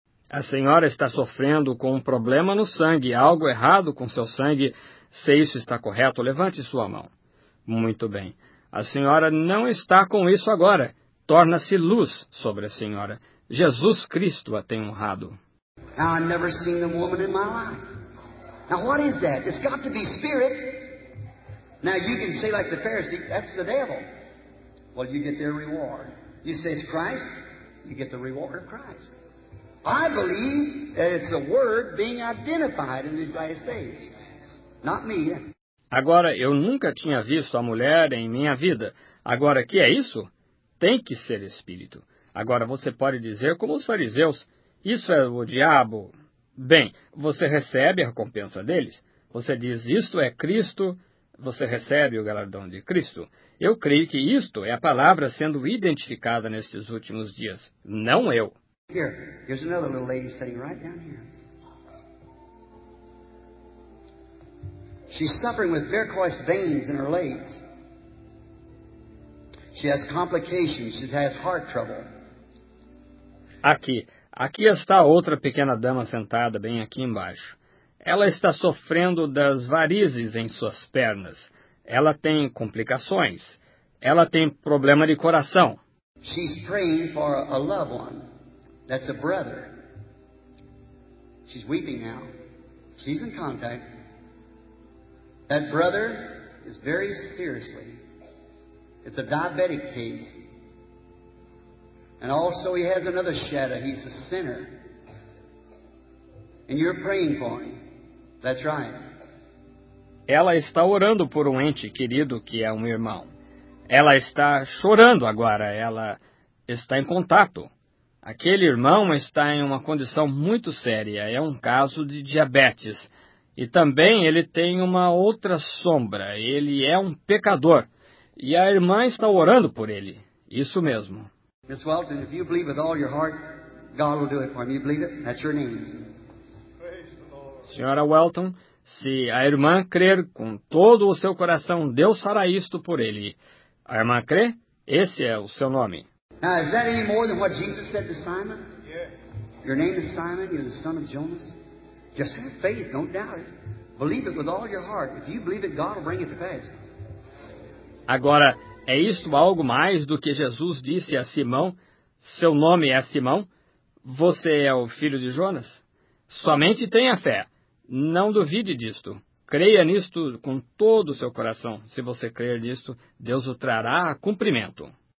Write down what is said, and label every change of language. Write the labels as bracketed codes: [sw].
[pt] A senhora está sofrendo com um problema no sangue, algo errado com seu sangue. Se isso está correto, levante sua mão. Muito bem. A senhora não está com isso agora. Torna-se luz sobre a senhora. Jesus Cristo a tem honrado. [en] Now, I've never seen a woman in my life. Now, what is that? It's got to be spirit. Now, you can say like the Pharisees, that's the devil. Well, you get their reward. You say it's Christ, you get the reward of Christ. I believe that it's a word being identified in these last days. Not me. [pt] Agora, eu nunca tinha visto a mulher em minha vida. Agora, que é isso? Tem que ser espírito. Agora, você pode dizer como os fariseus. Isso é o diabo. Bem, você recebe a recompensa deles. Você diz, isto é Cristo. Você recebe o galardão de Cristo. Eu creio que isto é a palavra sendo identificada nestes últimos dias. Não eu. [en] Here, here's another little lady sitting right down here. She's suffering with varicose veins in her legs. She has complications. She has heart trouble. [pt] Aqui está outra pequena dama sentada bem aqui embaixo. Ela está sofrendo das varizes em suas pernas. Ela tem complicações. Ela tem problema de coração. [en] She's praying for a loved one. That's a brother. She's weeping now. She's in contact. That brother is very seriously. It's a diabetic case. And also he has another shadow. He's a sinner. And you're praying for him. That's right. [pt] Ela está orando por um ente querido que é um irmão. Ela está chorando agora. Ela está em contato. Aquele irmão está em uma condição muito séria. É um caso de diabetes. E também ele tem uma outra sombra. Ele é um pecador. E a irmã está orando por ele. Isso mesmo. [en] Miss Walton, if you believe with all your heart, God will do it for me. You believe it? That's your name. [pt] Senhora Walton, se a irmã crer com todo o seu coração, Deus fará isto por ele. A irmã crê? Esse é o seu nome. [en] Now, is that any more than what Jesus said to Simon? Yeah. Your name is Simon, you're the son of Jonas. Just have faith, don't doubt it. Believe it with all your heart. If you believe it, God will bring it to pass. [pt] Agora, é isto algo mais do que Jesus disse a Simão? Seu nome é Simão? Você é o filho de Jonas? Somente tenha fé. Não duvide disto. Creia nisto com todo o seu coração. Se você crer nisto, Deus o trará a cumprimento.